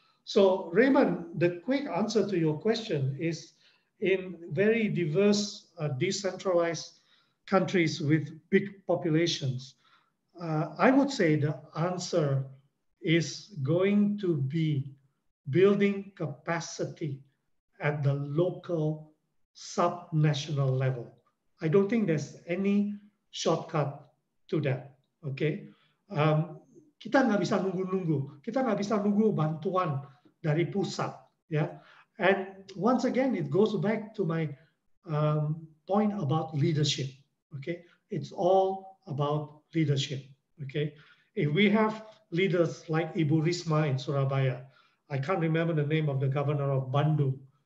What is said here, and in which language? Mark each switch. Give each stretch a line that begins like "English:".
English: So Raymond, the quick answer to your question is, in very diverse, decentralized countries with big populations, I would say the answer is going to be building capacity at the local subnational level. I don't think there's any shortcut to that.
Indonesian: Okay, kita nggak bisa nunggu-nunggu. Kita nggak bisa nunggu bantuan dari pusat.
English: Yeah, and once again, it goes back to my point about leadership. Okay, it's all about leadership. Okay, if we have leaders like Ibu Risma in Surabaya, I can't remember the name of the governor of Bandung.